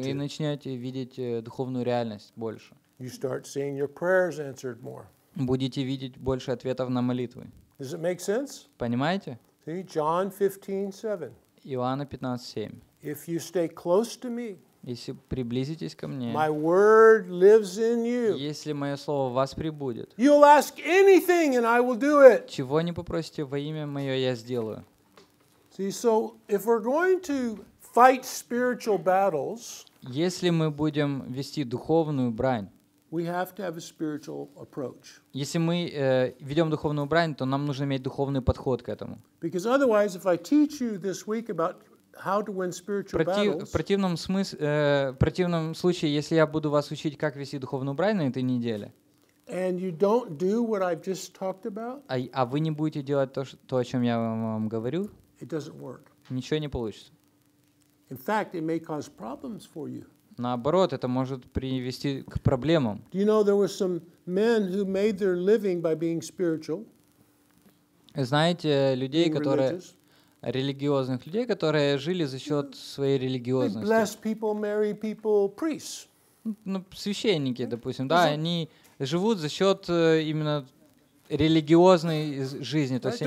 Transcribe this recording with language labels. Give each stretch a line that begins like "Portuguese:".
Russian: Вы начнете видеть духовную реальность больше.
English: You start seeing your prayers answered more.
Russian: Будете видеть больше ответов на молитвы.
English: Does it make sense?
Russian: Понимаете?
English: See, John 15:7.
Russian: Иоанна 15:7.
English: If you stay close to me.
Russian: Если приблизитесь ко мне.
English: My word lives in you.
Russian: Если мое слово в вас пребудет.
English: You'll ask anything and I will do it.
Russian: Чего не попросите во имя мое, я сделаю.
English: See, so if we're going to fight spiritual battles,
Russian: если мы будем вести духовную брань,
English: we have to have a spiritual approach.
Russian: Если мы ведем духовную брань, то нам нужно иметь духовный подход к этому.
English: Because otherwise, if I teach you this week about how to win spiritual battles,
Russian: в противном случае, если я буду вас учить, как вести духовную брань на этой неделе,
English: and you don't do what I've just talked about,
Russian: а вы не будете делать то, о чем я вам говорю.
English: It doesn't work.
Russian: Ничего не получится.
English: In fact, it may cause problems for you.
Russian: Наоборот, это может привести к проблемам.
English: Do you know there were some men who made their living by being spiritual?
Russian: Знаете, людей, которые религиозных людей, которые жили за счет своей религиозности.
English: They bless people, marry people, priests.
Russian: Ну, священники, допустим, да, они живут за счет именно религиозной жизни.